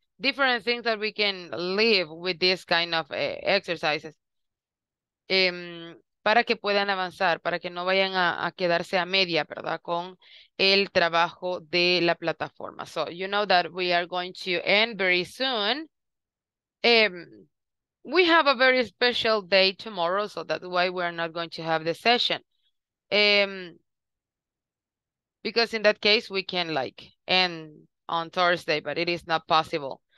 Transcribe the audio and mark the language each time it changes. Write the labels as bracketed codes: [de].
[en] Different things that we can live with this kind of exercises. [es] Para que puedan avanzar, para que no vayan a quedarse a media, ¿verdad? Con el trabajo de la plataforma. [en] So, you know that we are going to end very soon. We have a very special day tomorrow, so that's why we're not going to have the session. Because in that case, we can like end on Thursday, but it is not possible.